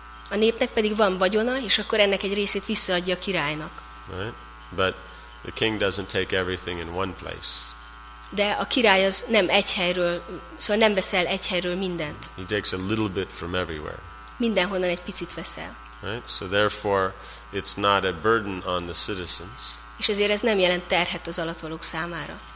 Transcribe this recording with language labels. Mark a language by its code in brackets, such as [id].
[hu] A népnek pedig van vagyona, és akkor ennek egy részét visszaadja a királynak. [en] Right? But the king doesn't take everything in one place. [hu] De a király az nem egy helyről, szóval nem veszel egy helyről mindent. [en] He takes a little bit from everywhere. [hu] Mindenhonnan egy picit veszel. [en] Right? So therefore it's not a burden on the citizens. [hu] És ezért ez nem jelent terhet az alattvalók számára.